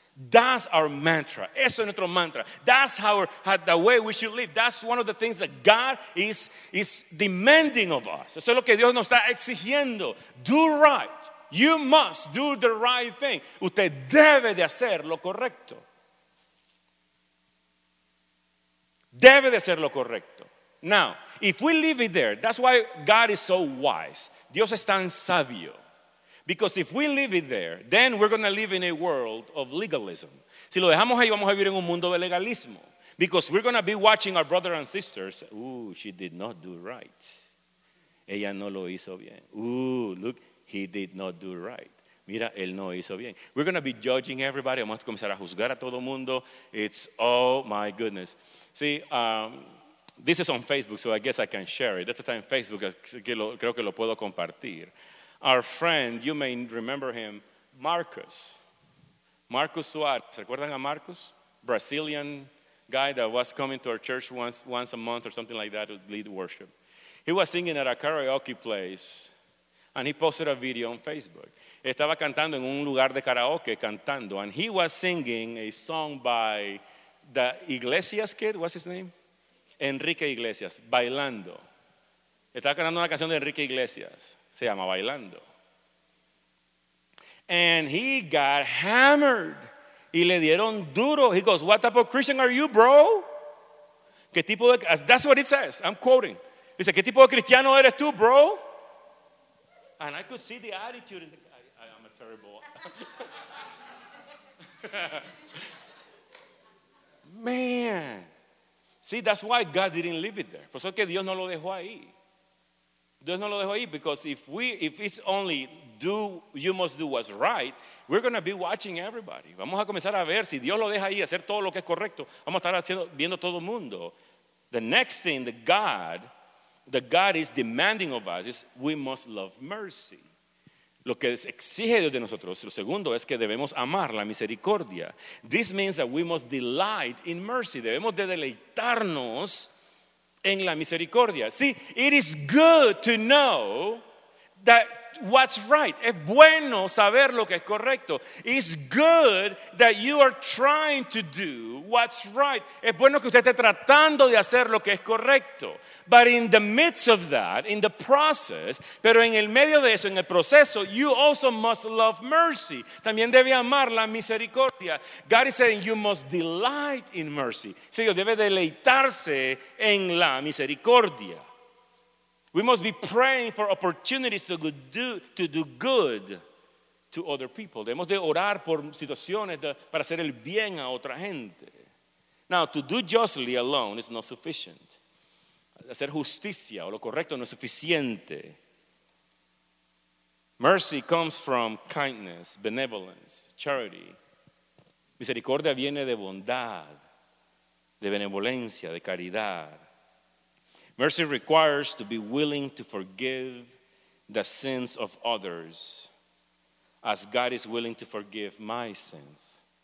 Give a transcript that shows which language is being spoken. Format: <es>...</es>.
<en>That's our mantra.</en> <es>Eso es nuestro mantra.</es> <en>That's how the way we should live. That's one of the things that God is demanding of us.</en> <es>Eso es lo que Dios nos está exigiendo.</es> <en>Do right. You must do the right thing.</en> <es>Usted debe de hacer lo correcto. Debe de hacer lo correcto.</es> <en>Now, if we leave it there, that's why God is so wise.</en> <es>Dios es tan sabio.</es> <en>Because if we leave it there, then we're going to live in a world of legalism.</en> <es>Si lo dejamos ahí, vamos a vivir en un mundo de legalismo.</es> <en>Because we're going to be watching our brother and sisters. Ooh, she did not do right.</en> <es>Ella no lo hizo bien.</es> <en>Ooh, look. He did not do right.</en> <es>Mira, él no hizo bien.</es> <en>We're going to be judging everybody.</en> <es>Vamos a comenzar a juzgar a todo mundo.</es> <en>It's, oh my goodness. See, this is on Facebook, so I guess I can share it.</en> <es>Esto está en Facebook, creo que lo puedo compartir.</es> <en>Our friend, you may remember him, Marcus. Marcus Suarez.</en> <es>¿Recuerdan a Marcus?</es> <en>Brazilian guy that was coming to our church once a month or something like that to lead worship. He was singing at a karaoke place. And he posted a video on Facebook.</en> <es>Estaba cantando en un lugar de karaoke, cantando.</es> <en>And he was singing a song by the Iglesias kid. What's his name? Enrique Iglesias, Bailando.</en> <es>Estaba cantando una canción de Enrique Iglesias. Se llama Bailando.</es> <en>And he got hammered.</en> <es>Y le dieron duro.</es> <en>He goes, what type of Christian are you, bro?</en> <es>¿Qué tipo de?</es> <en>That's what it says. I'm quoting. He said,</en> <es>¿qué tipo de cristiano eres tú, bro?</es> <en>And I could see the attitude in the guy. I'm a terrible. Man. See, that's why God didn't leave it there.</en> <es>Por eso que Dios no lo dejó ahí. Dios no lo dejó ahí.</es> <en>Because if it's only do, you must do what's right, we're going to be watching everybody.</en> <es>Vamos a comenzar a ver si Dios lo deja ahí, hacer todo lo que es correcto. Vamos a estar haciendo, viendo todo el mundo.</es> <en>The next thing that God is demanding of us is we must love mercy.</en> <es>Lo que exige Dios de nosotros, lo segundo, es que debemos amar la misericordia.</es> <en>This means that we must delight in mercy.</en> <es>Debemos de deleitarnos en la misericordia.</es> <en>See, it is good to know that what's right.</en> <es>Es bueno saber lo que es correcto.</es> <en>It's good that you are trying to do what's right.</en> <es>Es bueno que usted esté tratando de hacer lo que es correcto.</es> <en>But in the midst of that, in the process,</en> <es>pero en el medio de eso, en el proceso,</es> <en>you also must love mercy.</en> <es>También debe amar la misericordia.</es> <en>God is saying you must delight in mercy.</en> <es>Sí, debe deleitarse en la misericordia.</es> <en>We must be praying for opportunities to do good to other people.</en> <es>Debemos de orar por situaciones para hacer el bien a otra gente.</es> <en>Now, to do justly alone is not sufficient.</en> <es>Hacer justicia o lo correcto no es suficiente.</es> <en>Mercy comes from kindness, benevolence, charity.</en> <es>Misericordia viene de bondad, de benevolencia, de caridad.</es> <en>Mercy requires to be willing to forgive the sins of others as God is willing to forgive my sins.</en>